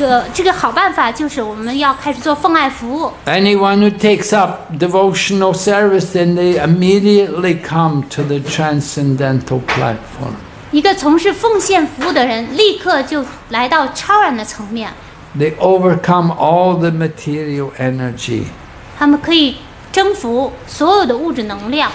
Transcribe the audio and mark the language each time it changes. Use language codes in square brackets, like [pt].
[zh] 那有什么别的好办法呢？这个其中的一个好办法就是我们要开始做奉爱服务。 [en] Anyone who takes up devotional service, then they immediately come to the transcendental platform. [zh] 一个从事奉献服务的人，立刻就来到超然的层面。 [en] They overcome all the material energy. [zh] 他们可以 征服所有的物质能量。